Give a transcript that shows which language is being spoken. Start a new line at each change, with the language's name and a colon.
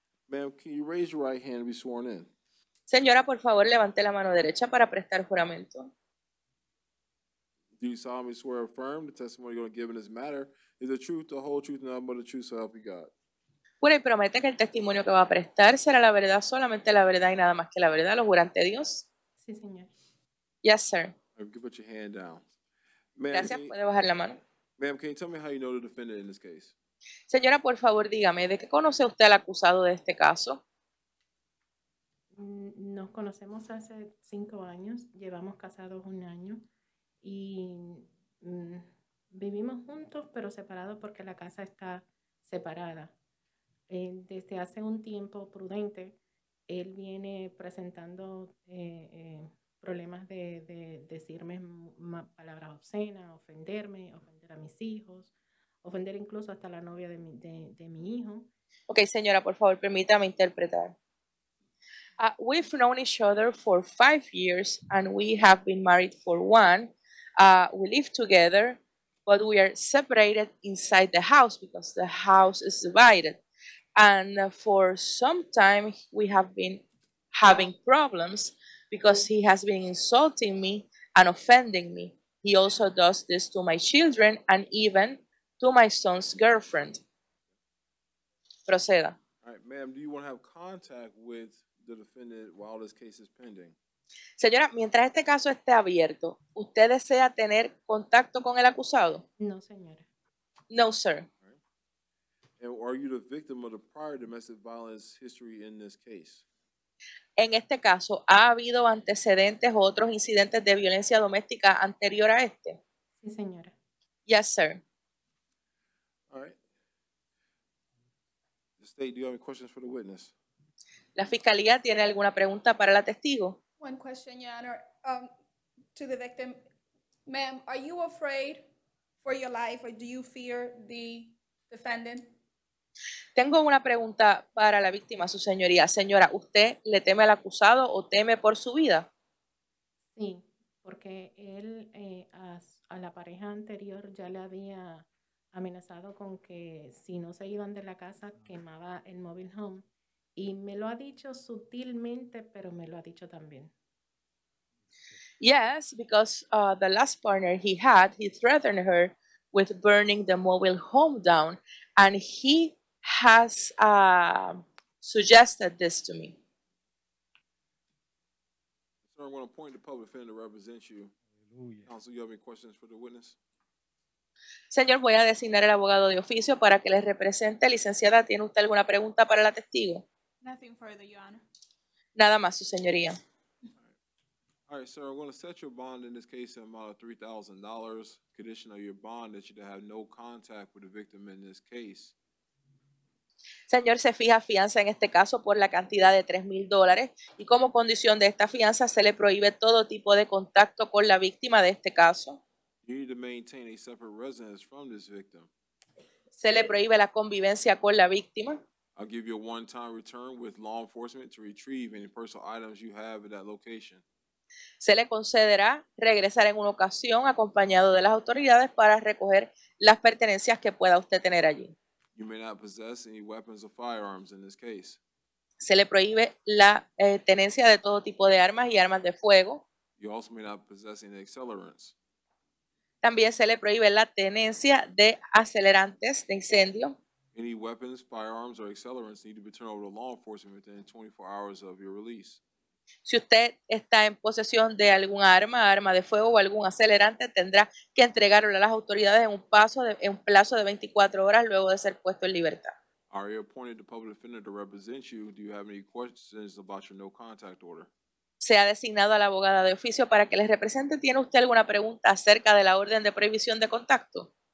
English: Ma'am, can you raise your right hand to be sworn in?
Spanish: Señora, por favor, levante la mano derecha para prestar juramento.
English: Do you solemnly swear or affirm the testimony you're going to give in this matter is the truth, the whole truth, and nothing but the truth, so help you God?
Spanish: Jura y promete que el testimonio que va a prestar será la verdad, solamente la verdad y nada más que la verdad. ¿Lo jura ante Dios? Sí, señor.
English: Yes, sir. You can put your hand down.
Spanish: Gracias. Puede bajar la mano.
English: Ma'am, can you tell me how you know the defendant in this case?
Spanish: Señora, por favor, dígame, ¿de qué conoce usted al acusado de este caso? Nos conocemos hace 5 años. Llevamos casados 1 año. Y Vivimos juntos, pero separados porque la casa está separada. Desde hace un tiempo prudente, él viene presentando problemas de decirme palabras obscenas, ofenderme, ofender a mis hijos, ofender incluso hasta la novia de mi hijo. Okay, señora, por favor, permítame interpretar.
English: We've known each other for 5 years and we have been married for one. We live together, but we are separated inside the house because the house is divided. And for some time, we have been having problems because he has been insulting me and offending me. He also does this to my children and even to my son's girlfriend.
Spanish: Proceda.
English: All right, ma'am, do you want to have contact with the defendant while this case is pending?
Spanish: Señora, mientras este caso esté abierto, ¿usted desea tener contacto con el acusado? No, señora.
English: No, sir. And are you the victim of the prior domestic violence history in this case?
Spanish: En este caso, ¿ha habido antecedentes o otros incidentes de violencia doméstica anterior a este? Sí, señora.
English: Yes, sir. All right. The state, do you have any questions for the witness?
Spanish: ¿La fiscalía tiene alguna pregunta para la testigo?
English: One question, Your Honor, to the victim. Ma'am, are you afraid for your life or do you fear the defendant?
Spanish: Tengo una pregunta para la víctima, su señoría. Señora, ¿usted le teme al acusado o teme por su vida? Sí, porque él a la pareja anterior ya le había amenazado con que si no se iban de la casa, quemaba el mobile home. Y me lo ha dicho sutilmente, pero me lo ha dicho también.
English: Yes, because the last partner he had, he threatened her with burning the mobile home down, and he has suggested this to me. Sir, I'm going to appoint the public defender to represent you. Hallelujah. Counsel, you have any questions for the witness?
Spanish: Señor, voy a designar el abogado de oficio para que le represente. Licenciada, ¿tiene usted alguna pregunta para la testigo?
English: Nothing further, Your Honor.
Spanish: Nada más, su señoría.
English: All right, sir, I'm going to set your bond in this case at an amount of $3,000. Condition of your bond is you to have no contact with the victim in this case.
Spanish: Señor, se fija fianza en este caso por la cantidad de $3,000 y como condición de esta fianza se le prohíbe todo tipo de contacto con la víctima de este caso.
English: You need to maintain a separate residence from this victim.
Spanish: Se le prohíbe la convivencia con la víctima.
English: I'll give you a one-time return with law enforcement to retrieve any personal items you have at that location.
Spanish: Se le concederá regresar en una ocasión acompañado de las autoridades para recoger las pertenencias que pueda usted tener allí.
English: You may not possess any weapons or firearms in this case.
Spanish: Se le prohíbe la tenencia de todo tipo de armas y armas de fuego.
English: You also may not possess any accelerants.
Spanish: También se le prohíbe la tenencia de acelerantes de incendio.
English: Any weapons, firearms, or accelerants need to be turned over to law enforcement within 24 hours of your release.
Spanish: Si usted está en posesión de algún arma, arma de fuego o algún acelerante, tendrá que entregarlo a las autoridades en un plazo de 24 horas luego de ser puesto en libertad.
English: Are you appointed the public defender to represent you? Do you have any questions about your no contact order?
Spanish: Se ha designado a la abogada de oficio para que les represente. ¿Tiene usted alguna pregunta acerca de la orden de prohibición de contacto?